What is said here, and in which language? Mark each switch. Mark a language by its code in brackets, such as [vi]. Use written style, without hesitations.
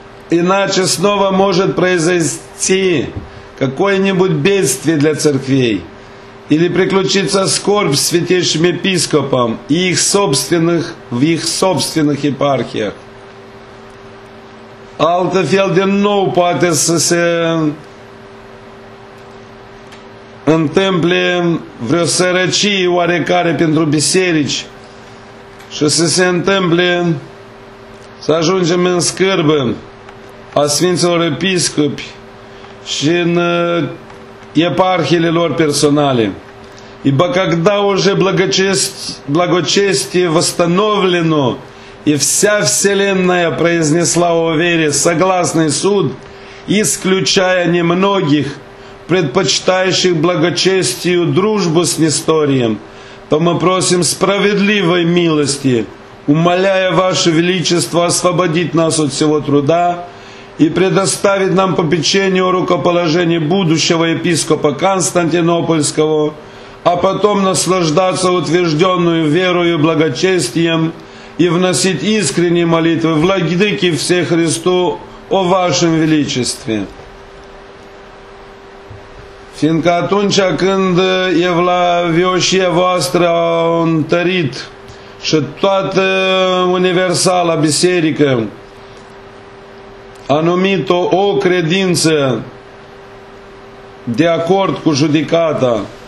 [ru] Иначе снова может произойти какое-нибудь бедствие для церквей или приключиться скорбь святейшим епископам и их собственных, в их собственных епархиях. [ro] Altfel din nou poate să se întâmple vreo sărăcie oarecare pentru biserici și să se întâmple să ajungem în scârbă a sfinților episcopi și în eparhiile lor personale. [ru] Ибо когда уже благочестие восстановлено, и вся вселенная произнесла о вере согласный суд, исключая немногих, предпочитающих благочестию дружбу с Несторием, то мы просим справедливой милости, умоляя Ваше Величество освободить нас от всего труда и предоставить нам попечение о рукоположении будущего епископа Константинопольского, а потом наслаждаться утвержденную верою и благочестием и вносить искренние молитвы Владыке все Христу о Вашем Величестве. [ro] Fiindcă atunci când evlavioșia voastră a întărit și toată universala biserică a numit-o o credință de acord cu judecata,